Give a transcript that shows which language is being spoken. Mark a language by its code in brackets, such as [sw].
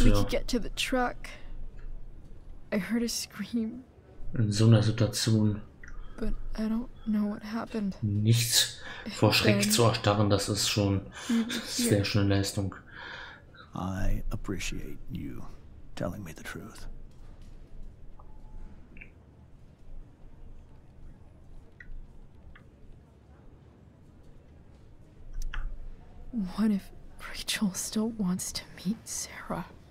[en] we could get to the truck. I heard a scream. [de] In so einer Situation. [en] But I don't know what happened. [de] Nichts vor Schreck zu erstarren, das ist schon sehr schöne Leistung. [en] I appreciate you telling me the truth. What if Rachel still wants to meet Sarah?